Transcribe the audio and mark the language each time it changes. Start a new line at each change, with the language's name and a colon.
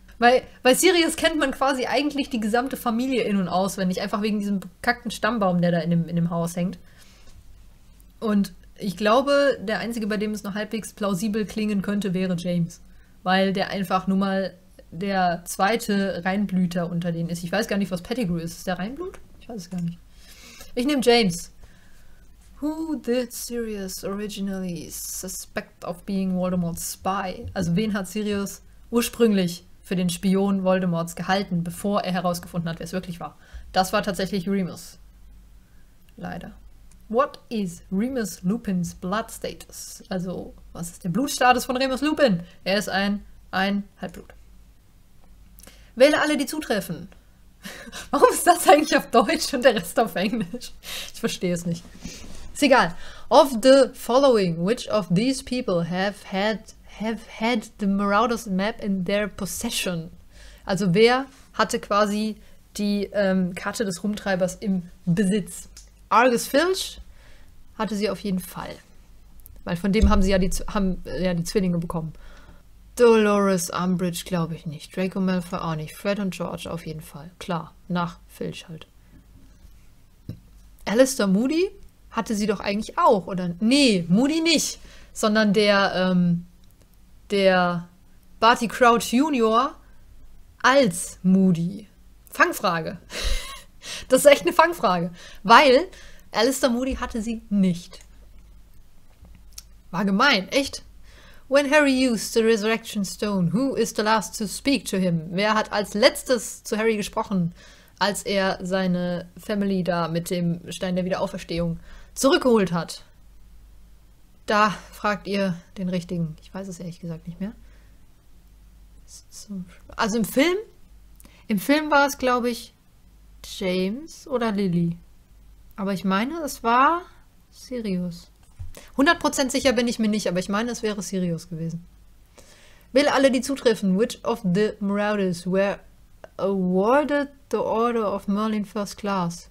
German: Weil Sirius kennt man quasi eigentlich die gesamte Familie in- und auswendig, einfach wegen diesem bekackten Stammbaum, der da in dem Haus hängt. Und ich glaube, der Einzige, bei dem es noch halbwegs plausibel klingen könnte, wäre James. Weil der einfach nun mal der zweite Reinblüter unter denen ist. Ich weiß gar nicht, was Pettigrew ist. Ist der Reinblut? Ich weiß es gar nicht. Ich nehme James.
English: Who did Sirius originally suspect of being Voldemort's spy?
German: Also wen hat Sirius ursprünglich für den Spion Voldemorts gehalten, bevor er herausgefunden hat, wer es wirklich war? Das war tatsächlich Remus. Leider.
English: What is Remus Lupins Blood Status?
German: Also, was ist der Blutstatus von Remus Lupin? Er ist ein Halbblut. Wähle alle, die zutreffen. Warum ist das eigentlich auf Deutsch und der Rest auf Englisch? Ich verstehe es nicht. Ist egal.
English: Of the following, which of these people have had the Marauders Map in their possession?
German: Also, wer hatte quasi die Karte des Rumtreibers im Besitz? Argus Filch hatte sie auf jeden Fall. Weil von dem haben sie ja die Zwillinge bekommen. Dolores Umbridge glaube ich nicht. Draco Malfoy auch nicht. Fred und George auf jeden Fall. Klar, nach Filch halt. Alistair Moody hatte sie doch eigentlich auch, oder? Nee, Moody nicht. Sondern der Barty Crouch Junior als Moody. Fangfrage. Das ist echt eine Fangfrage, weil Alistair Moody hatte sie nicht. War gemein, echt?
English: When Harry used the Resurrection Stone, who is the last to speak to him?
German: Wer hat als letztes zu Harry gesprochen, als er seine Family da mit dem Stein der Wiederauferstehung zurückgeholt hat? Da fragt ihr den Richtigen. Ich weiß es ehrlich gesagt nicht mehr. Also im Film war es, glaube ich, James oder Lily. Aber ich meine, es war Sirius. 100% sicher bin ich mir nicht, aber ich meine, es wäre Sirius gewesen. Wähle alle, die zutreffen.
English: Which of the Marauders were awarded the Order of Merlin First Class?